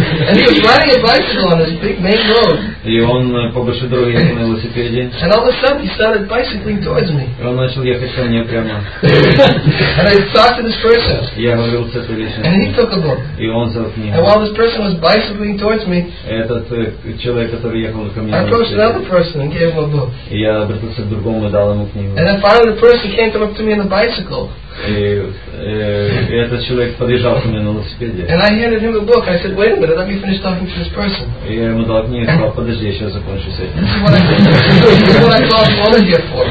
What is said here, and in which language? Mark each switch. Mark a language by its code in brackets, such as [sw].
[en] And he was riding a bicycle on this big main road. [ru] И он по большой дороге ехал на велосипеде. [en] And all of a sudden, he started bicycling towards me. [ru] Он начал ехать. [en] And I talked to this person. [ru] Я говорил с этой личностью. [en] And he took a book. [ru] И он взял книгу. [en] And while this person was bicycling towards me, [ru] этот человек, который ехал ко мне, [en] I approached another person and gave him a book. [ru] И я обратился к другому и дал ему книгу. [en] And then finally, the person came to up to me on the bicycle. [ru] И этот человек подъезжал ко мне на велосипеде. [en] And I handed him a book. I said, wait a minute, let me finish talking to this person. [ru] И я ему дал книгу и сказал, подожди, я сейчас закончу с этим. [en] This is what I called one here for.